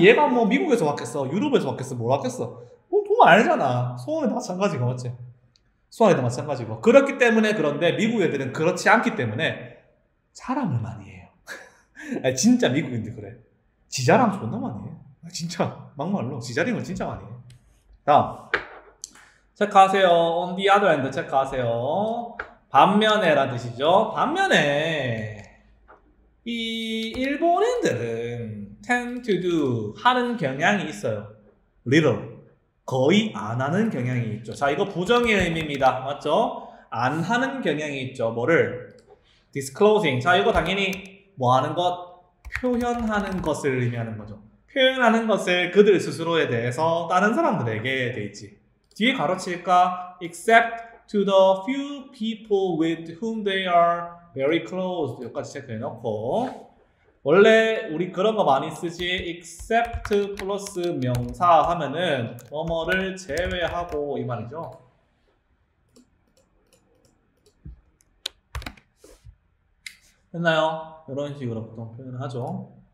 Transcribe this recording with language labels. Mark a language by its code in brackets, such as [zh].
[ko] 얘가 뭐 미국에서 왔겠어, 유럽에서 왔겠어, 뭘 왔겠어? 뭐 그거 알잖아. 소원이 마찬가지가, 맞지? 수아에도 마찬가지고. 그렇기 때문에, 그런데 미국 애들은 그렇지 않기 때문에 자랑을 많이 해요. 아니, 진짜 미국인들 그래. 지자랑 존나 많이 해. 아, 진짜 막말로 지자랑을 진짜 많이 해. 다음 체크하세요. [en] On the other end [ko] 체크하세요. 반면에 라는 뜻이죠. 반면에 이 일본인들은 [en] tend to do [ko] 하는 경향이 있어요. [en] Little [ko] 거의 안 하는 경향이 있죠. 자, 이거 부정의 의미입니다. 맞죠? 안 하는 경향이 있죠. 뭐를? [en] Disclosing. [ko] 자, 이거 당연히 뭐 하는 것? 표현하는 것을 의미하는 거죠. 표현하는 것을 그들 스스로에 대해서 다른 사람들에게 돼 있지. 뒤에 가로칠까? [en] Except to the few people with whom they are very close. [ko] 여기까지 체크해놓고. 원래 우리 그런 거 많이 쓰지. except 플러스 명사 하면은 뭐뭐를 제외하고 이 말이죠. 했나요? 이런 식으로 보통 표현을 하죠.